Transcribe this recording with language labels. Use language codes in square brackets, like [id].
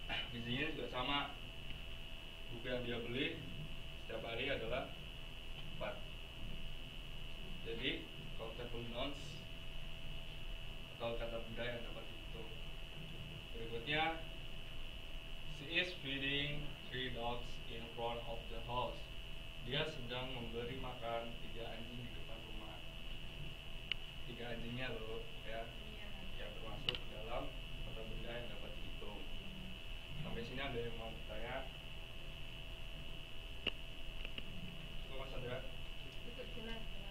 [id] Gizinya juga sama, buku yang dia beli setiap hari adalah 4. Jadi kalau table nouns atau kata benda yang dapat dihitung. [en] Berikutnya, she is feeding 3 dogs in front of the house. [id] Dia sedang memberi makan 3 anjing di depan rumah. 3 anjingnya loh ya, yang termasuk dalam kata benda yang dapat dihitung. Sampai sini ada yang mau bertanya? Cukup Mas Adra? Cukup jelas.